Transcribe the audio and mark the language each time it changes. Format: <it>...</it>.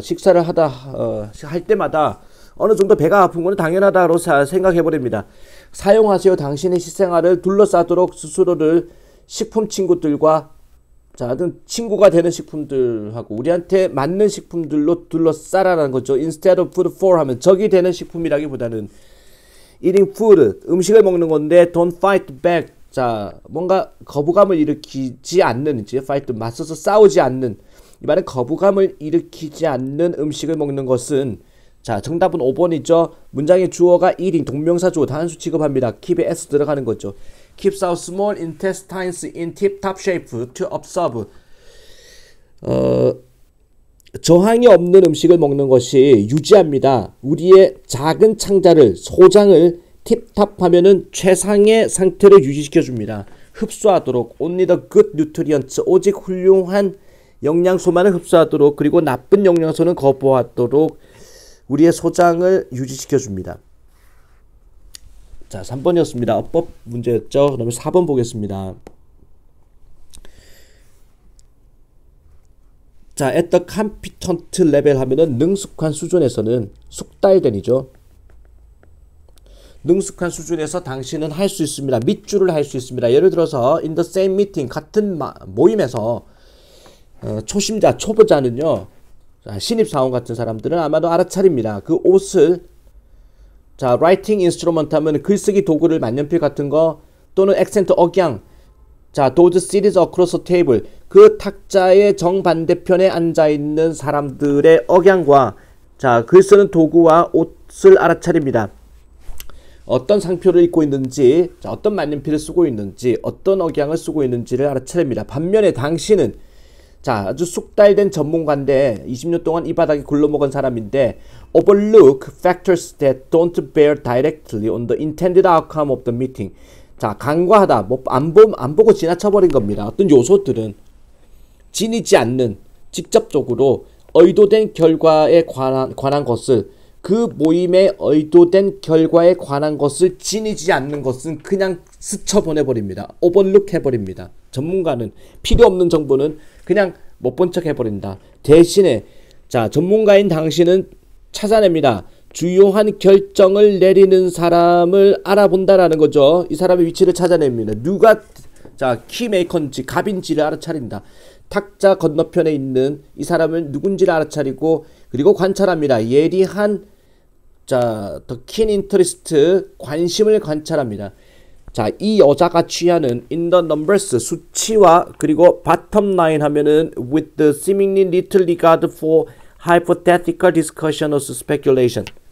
<ko>식사를 하다 할 때마다 어느 정도 배가 아픈 것은 당연하다고 생각해 버립니다. 사용하세요. 당신의 식생활을 둘러싸도록 스스로를 식품 친구들과 자든 친구가 되는 식품들하고 우리한테 맞는 식품들로 둘러싸라는 거죠.</ko> <en>Instead of food for</en> <ko>하면 적이 되는 식품이라기보다는</ko> <en>eating food</en> <ko>음식을 먹는 건데</ko> <en>don't fight back.</en> <ko>자, 뭔가 거부감을 일으키지 않는, 이제 파이트 맞서서 싸우지 않는, 이 말은 거부감을 일으키지 않는 음식을 먹는 것은, 자, 정답은 5번이죠. 문장의 주어가 eating, 동명사 주어 단수 취급합니다. keep s 들어가는 거죠.</ko> <en>keeps our small intestines in tip-top shape to absorb.</en> <ko>저항이 없는 음식을 먹는 것이 유지합니다. 우리의 작은 창자를, 소장을 팁탑하면은 최상의 상태를 유지시켜 줍니다. 흡수하도록</ko> <en>only the good nutrients</en> <ko>오직 훌륭한 영양소만을 흡수하도록 그리고 나쁜 영양소는 거부하도록 우리의 소장을 유지시켜 줍니다. 자, 3번이었습니다. 어법 문제였죠. 그러면 4번 보겠습니다. 자,</ko> <en>at the competent level</en> <ko>하면은 능숙한 수준에서는 숙달된이죠. 능숙한 수준에서 당신은 할수 있습니다. 밑줄을 할수 있습니다. 예를 들어서</ko> <en>in the same meeting</en> <ko>같은 모임에서 초심자, 초보자는요. 신입 사원 같은 사람들은 아마도 알아차립니다. 그 옷을 자,</ko> <en>writing instrument</en> <ko>하면 글쓰기 도구를 만년필 같은 거 또는 accent 억양.</ko> <en>자, those seats across the table.</en> <ko>그 탁자의 정반대편에 앉아 있는 사람들의 억양과 자, 글 쓰는 도구와 옷을 알아차립니다. 어떤 상표를 입고 있는지, 어떤 만년필을 쓰고 있는지, 어떤 억양을 쓰고 있는지를 알아차립니다. 반면에 당신은, 자, 아주 숙달된 전문가인데, 20년 동안 이 바닥에 굴러먹은 사람인데,</ko> <en>overlook factors that don't bear directly on the intended outcome of the meeting.</en> <ko>자, 간과하다. 뭐, 안 보고 지나쳐버린 겁니다. 어떤 요소들은 지니지 않는, 직접적으로 의도된 결과에 관한 것을, 그 모임의 의도된 결과에 관한 것을 지니지 않는 것은 그냥 스쳐 보내버립니다. Overlook 해버립니다. 전문가는 필요 없는 정보는 그냥 못본척 해버린다. 대신에, 자, 전문가인 당신은 찾아냅니다. 주요한 결정을 내리는 사람을 알아본다라는 거죠. 이 사람의 위치를 찾아냅니다. 누가, 자, 키메이커인지, 갑인지를 알아차린다. 탁자 건너편에 있는 이 사람은 누군지를 알아차리고, 그리고 관찰합니다. 예리한 자,</ko> <en>the keen interest,</en> <ko>관심을 관찰합니다. 자, 이 여자가 취하는</ko> <en>in the numbers,</en> <ko>수치와, 그리고</ko> <en>bottom line</en> <ko>하면은</ko> <en>with the seemingly little regard for hypothetical discussion or speculation.</en>